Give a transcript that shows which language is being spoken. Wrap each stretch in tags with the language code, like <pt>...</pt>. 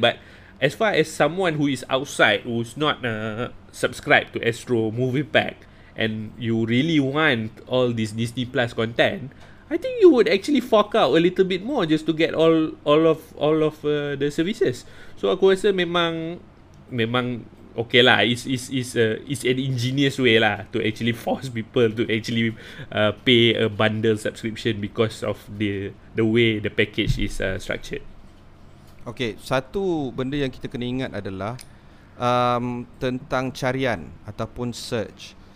<en>But as far as someone who is outside, who's not subscribed to Astro Movie Pack, and you really want all this Disney Plus content, I think you would actually fork out a little bit more just to get all of the services.</en> <ms>So aku rasa memang okay lah.</ms> <en>It's an ingenious way lah to actually force people to actually pay a bundle subscription because of the way the package is structured.</en> <ms>Okay, satu benda yang kita kena ingat adalah tentang carian ataupun search.</ms>